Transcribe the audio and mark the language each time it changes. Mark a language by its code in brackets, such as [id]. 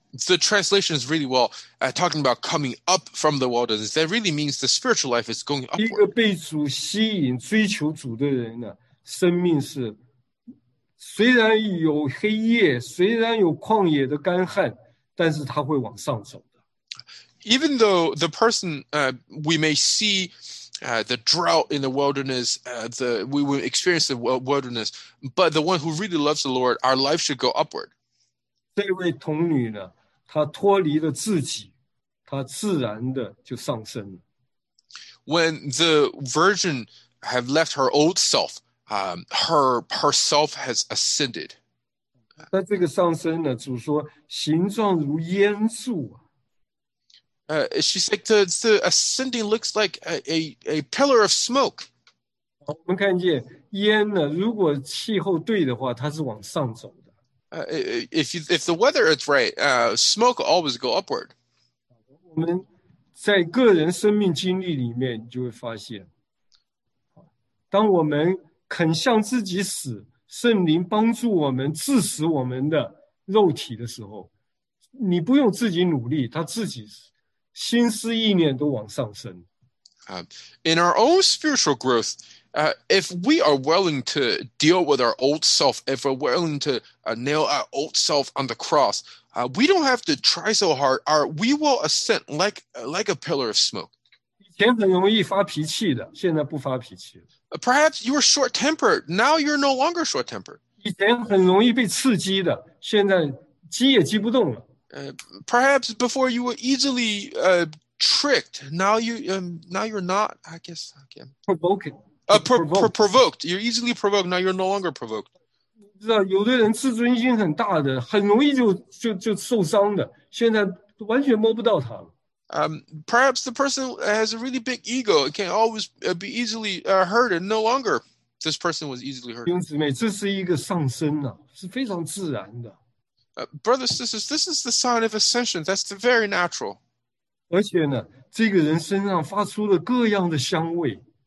[en] The translation is really well, talking about coming up from the wilderness. That really means the spiritual life is going upward. [zh] 一个被主吸引、追求主的人呢，生命是虽然有黑夜，虽然有旷野的干旱，但是他会往上走。 [en] Even though the person, we may see the drought in the wilderness, we will experience the wilderness, but the one who really loves the Lord, our life should go upward. [zh] 这位童女呢，她脱离了自己，她自然的就上升了。 [en] When the virgin have left her old self, herself has ascended. [zh] 那这个上升呢，主说形状如烟柱啊。 [en] She said the ascending looks like a pillar of smoke. [zh] 我们看见烟呢，如果气候对的话，它是往上走的。 [en] If the weather is right, smoke always go upward. [zh] 我们在个人生命经历里面就会发现，当我们肯向自己死，圣灵帮助我们致死我们的肉体的时候，你不用自己努力，他自己死。心思意念都往上升。 [en] In our own spiritual growth, if we are willing to deal with our old self, if we're willing to nail our old self on the cross, we don't have to try so hard. We will ascend like a pillar of smoke. [zh] 以前很容易发脾气的，现在不发脾气了。 [en] Perhaps you were short-tempered. Now you're no longer short-tempered. [zh] 以前很容易被刺激的，现在激也激不动了。 [en] Perhaps before you were easily tricked, now you're not. I guess again. Provoked. You're easily provoked. Now you're no longer provoked. [zh] 知道有的人自尊心很大的，很容易就受伤的。现在完全摸不到他了。 [en] Perhaps the person has a really big ego. It can always be easily hurt, and no longer this person was easily hurt. [zh] 兄弟姊妹，这是一个上升啊，是非常自然的。 [en] Brothers, sisters, this is the sign of ascension. That's the very natural. [zh] 而且呢, 这个人身上发出了各样的香味。